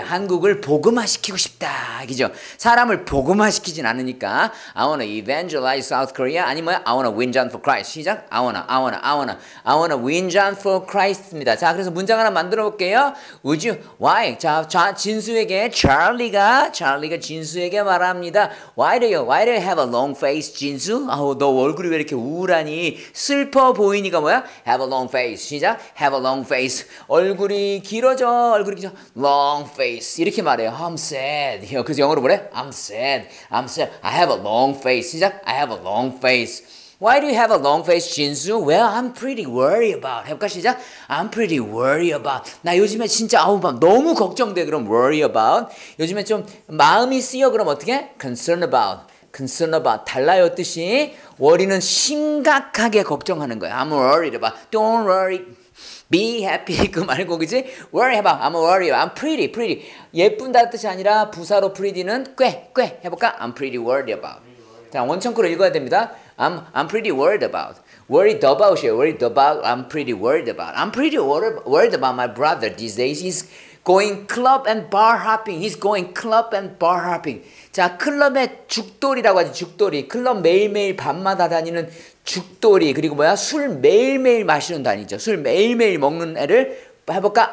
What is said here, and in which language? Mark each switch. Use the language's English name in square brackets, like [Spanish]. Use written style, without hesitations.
[Korean] 한국을 복음화시키고 싶다. 그죠? 사람을 복음화시키진 않으니까. [English] I wanna evangelize South Korea. [Korean] 아니면 [English] I wanna win John for Christ. 시작. I wanna win John for Christ입니다. [Korean] 자, 그래서 문장 하나 만들어 볼게요. [English] Would you? Why? [Korean] 자, 진수에게 찰리가 진수에게 말합니다. [English] Why do you have a long face, 진수? [Korean] 아우, 너 얼굴이 왜 이렇게 우울하니? 슬퍼 보이니가 뭐야? [English] Have a long face. 시작. Have a long face. [Korean] 얼굴이 길어져. [English] Long face. [Korean] 이렇게 말해요. [English] I'm sad. [Korean] 그래서 영어로 뭐래? [English] I'm sad. I have a long face. 시작. I have a long face. Why do you have a long face, Jinsu? Well, I'm pretty worried about. [Korean] 해볼까? 시작. [English] I'm pretty worried about. [Korean] 나 요즘에 진짜 너무 걱정돼. 그럼 [English] worry about. [Korean] 요즘에 좀 마음이 쓰여. 그럼 어떻게? [English] Concern about. [Korean] 달라요 뜻이. [English] Worry는 [Korean] 심각하게 걱정하는 거야. [English] I'm worried about. Don't worry. Be happy. [Korean] 그 말고, 그치? [English] Worry 해봐. I'm worried. I'm pretty, pretty. [Korean] 예쁜다는 뜻이 아니라 부사로 pretty는 꽤. 해볼까? [English] I'm pretty worried about. [Korean] 자, 원청구로 읽어야 됩니다. [English] I'm pretty worried about. Worried about. Worried about. I'm pretty worried about. I'm pretty worried about my brother these days. He's going club and bar hopping. He's going club and bar hopping. [Korean] 자, 클럽의 죽돌이라고 하지, 죽돌이. 클럽 매일매일 밤마다 다니는 죽돌이. 그리고 뭐야? 술 매일매일 마시는 다니죠. 술 매일매일 먹는 애를 해볼까?